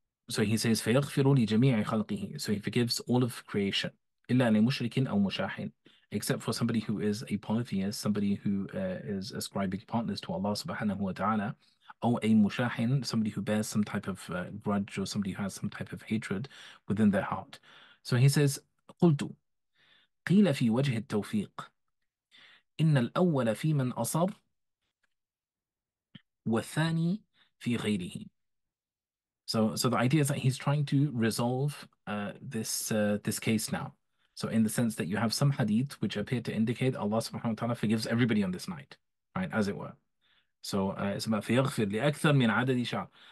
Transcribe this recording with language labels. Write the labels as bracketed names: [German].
[English] So he says, [Arabic] فَيَغْفِرُ لِجَمِيعِ خَلْقِهِ. [English] So he forgives all of creation. [Arabic] إِلَّا لِمُشْرِكٍ أَوْ مُشَاحٍ. [English] Except for somebody who is a polytheist, somebody who is ascribing partners to Allah subhanahu wa ta'ala, or a mushahin, somebody who bears some type of grudge or somebody who has some type of hatred within their heart. So he says, [Arabic] قُلْتُ قِيلَ فِي وَجْهِ التَّوْفِيقِ إِنَّ الْأَوَّلَ فِي مَنْ أَصَرْ وَالثَّانِي فِي غَيْرِهِ. [English] So the idea is that he's trying to resolve this case now. So in the sense that you have some hadith which appear to indicate Allah subhanahu wa ta'ala forgives everybody on this night, right, as it were. So it's about [Arabic] فيغفر لأكثر من عدد شعر.